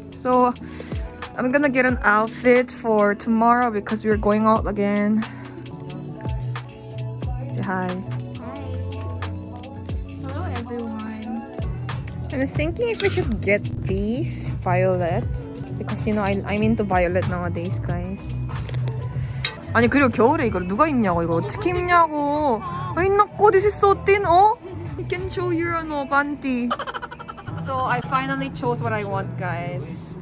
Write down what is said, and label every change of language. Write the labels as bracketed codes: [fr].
[en] So I'm gonna get an outfit for tomorrow because we are going out again. Say hi. I'm thinking if we should get these violet because you know I'm into violet nowadays, guys. [ko] 아니 그리고 겨울에 이걸 누가 입냐고 이거 어떻게 입냐고. 아니 나고 [en] this is so thin. Oh, you can show your own panty. So I finally chose what I want, guys.